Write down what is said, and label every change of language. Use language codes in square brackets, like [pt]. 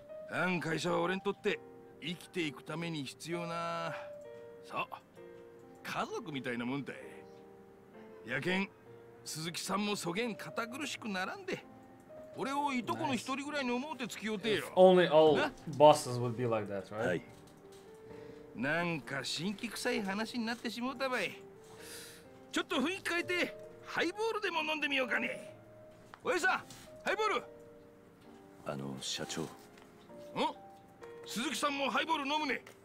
[ja] あん会社は俺にとって生きていくために必要な。そう。家族みたいなもんだい。やけん、鈴木さんもそげん堅苦しくならんで。俺をいとこの一人ぐらいに思うてつきおうてよ。 [en] If only all bosses would be like that, right? [ja] はい。なんか辛気臭い話になってしもうたばい。ちょっと雰囲気変えてハイボールでも飲んでみようかね。おやさん、ハイボール。あの社長。うん？鈴木さんもハイボール飲むね。